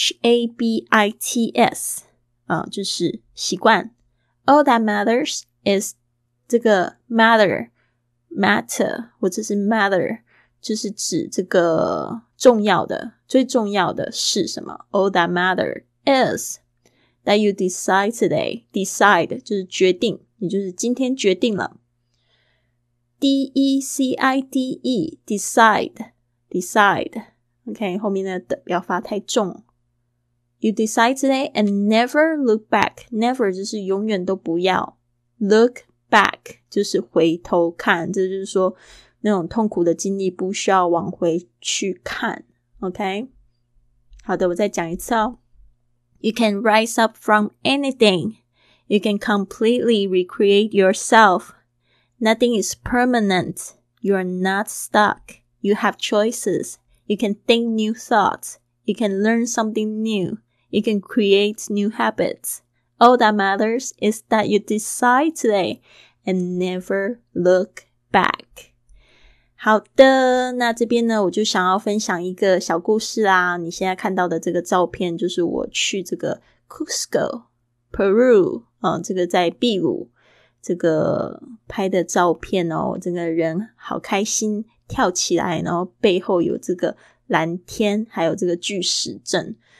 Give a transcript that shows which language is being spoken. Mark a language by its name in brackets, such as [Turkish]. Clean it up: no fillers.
[English] H-A-B-I-T-S、 [Chinese] 就是习惯。 [English] All that matters is [Chinese] 这个 matter 或者是 matter 就是指这个重要的，最重要的是什么。 [English] All that matter is that you decide today. [Chinese] Decide 就是决定，你就是今天决定了。 [English] D-E-C-I-D-E Decide OK， [Chinese] 后面的不要发太重。 [English] You decide today and never look back. [Chinese] Never 就是永远都不要。Look back 就是回头看，这就是说那种痛苦的经历不需要往回去看。 OK， 好的，我再讲一次哦。 [English] You can rise up from anything. You can completely recreate yourself. Nothing is permanent. You are not stuck. You have choices. You can think new thoughts. You can learn something new. You can create new habits. All that matters is that you decide today and never look back. [Chinese] 好的，那这边呢，我就想要分享一个小故事啦。你现在看到的这个照片就是我去这个 Cusco, Peru, 这个在秘鲁这个拍的照片哦，整个人好开心，跳起来，然后背后有这个蓝天，还有这个巨石阵。